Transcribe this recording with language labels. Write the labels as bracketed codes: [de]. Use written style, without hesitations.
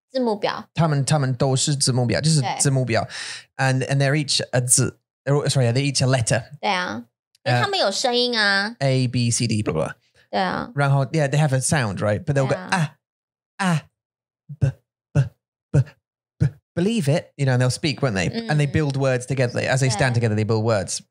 [zh] 字母表，他们都是字母表，就是字母表， [en] and they're each a [zh] 字， [en] sorry, they're each a letter. [zh] 对啊，因为他们有声音啊。 [en] A B C D blah blah. [zh] 对啊，然后 [en] yeah they have a sound right, but they'll go believe it, you know, and they'll speak, won't they? And they build words together as they stand together. They build words.